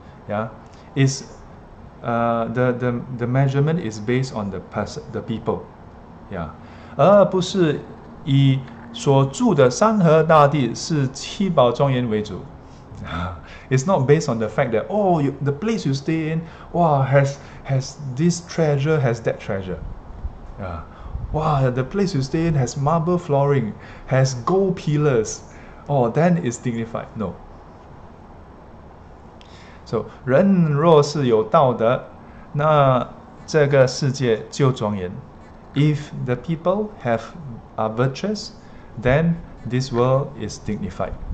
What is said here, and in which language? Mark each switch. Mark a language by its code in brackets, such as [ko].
[en] Yeah, is the measurement is based on the person, the people. [zh] Yeah, 而不是以所住的山河大地是七宝庄严为主. [en] It's not based on the fact that the place you stay in, has this treasure, has that treasure. Yeah. Wow, the place you stay in has marble flooring, has gold pillars. Oh, then it's dignified. No. [zh] So, 人若是有道德，那这个世界就庄严. [en] If the people are virtuous, then this world is dignified.